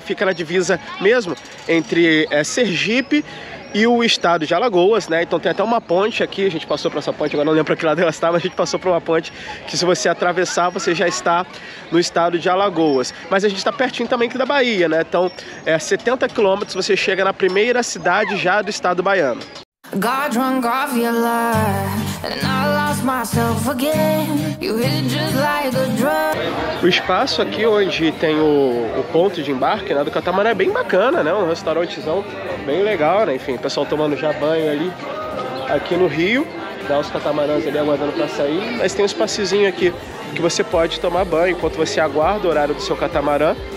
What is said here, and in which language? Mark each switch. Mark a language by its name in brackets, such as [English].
[Portuguese] Fica na divisa mesmo entre Sergipe e o estado de Alagoas, né? Então tem até uma ponte aqui, a gente passou para essa ponte, agora não lembro para que lado ela estava, a gente passou para uma ponte que se você atravessar, você já está no estado de Alagoas. Mas a gente está pertinho também aqui da Bahia, né? Então, 70 quilômetros, você chega na primeira cidade já do estado baiano. [English] God drunk off your life, and I lost myself again. You hit it just like a drug. [Portuguese] O espaço aqui onde tem o ponto de embarque, né, do catamarã é bem bacana, né? Um restaurantezão bem legal, né? Enfim, o pessoal tomando já banho ali aqui no rio, dá os catamarãs ali aguardando pra sair, mas tem um espaçozinho aqui que você pode tomar banho enquanto você aguarda o horário do seu catamarã.